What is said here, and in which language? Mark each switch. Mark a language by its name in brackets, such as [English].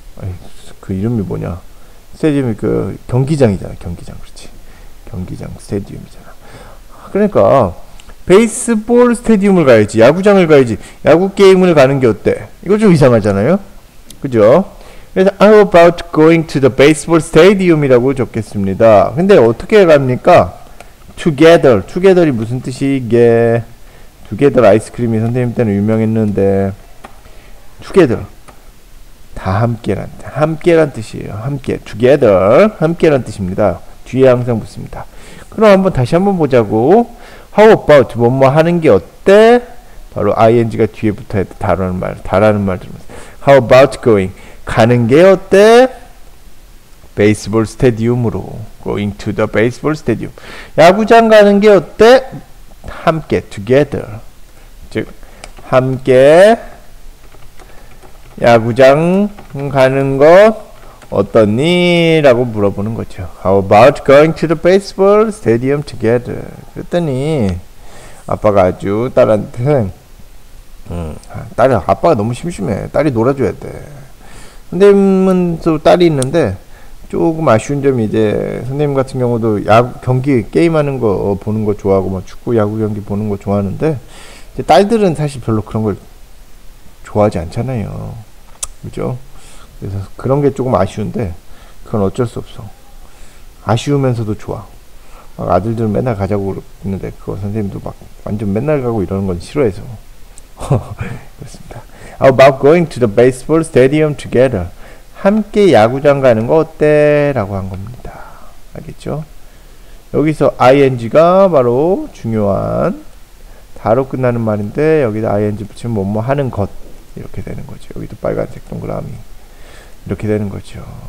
[Korean] 아니, 그 이름이 뭐냐? 스테디움이 그 경기장이잖아. 경기장, 그렇지. 경기장 스테디움이잖아. 그러니까 베이스볼 스테디움을 가야지, 야구장을 가야지, 야구 게임을 가는 게 어때? 이거 좀 이상하잖아요? 그죠? 그래서 [English] I'm about going to the baseball stadium [Korean] 이라고 적겠습니다. 근데 어떻게 갑니까? Together. Together이 무슨 뜻이게? Together 아이스크림이 선생님 때는 유명했는데 Together 다 함께란 뜻. 함께란 뜻이에요. 함께. Together. 함께란 뜻입니다. 뒤에 항상 붙습니다. 그럼 한번 다시 한번 보자고. [English] How about [Korean] 뭐뭐 하는 게 어때? 바로 ing가 뒤에 붙어야 돼. 다라는 말. 다라는 말 들으면서. [English] How about going? [Korean] 가는 게 어때? [English] Baseball stadium으로. Going to the baseball stadium. [Korean] 야구장 가는 게 어때? 함께. Together. 즉 함께 야구장 가는 거 어떠니? 라고 물어보는 거죠. [English] How about going to the baseball stadium together? [Korean] 그랬더니 아빠가 아주 딸한테 딸이 아빠가 너무 심심해. 딸이 놀아줘야 돼. 선생님은 또 딸이 있는데 조금 아쉬운 점이 이제 선생님 같은 경우도 경기 게임하는 거 보는 거 좋아하고 막 축구 야구 경기 보는 거 좋아하는데 이제 딸들은 사실 별로 그런 걸 좋아하지 않잖아요. 그죠? 그래서 그런 게 조금 아쉬운데 그건 어쩔 수 없어. 아쉬우면서도 좋아. 막 아들들은 맨날 가자고 그러는데 그거 선생님도 막 완전 맨날 가고 이러는 건 싫어해서. 그렇습니다. [English] How about going to the baseball stadium together? [Korean] 함께 야구장 가는 거 어때? 라고 한 겁니다. 알겠죠? 여기서 ing가 바로 중요한 다로 끝나는 말인데 여기다 ing 붙이면 뭐뭐 하는 것 이렇게 되는 거죠. 여기도 빨간색 동그라미 이렇게 되는 거죠.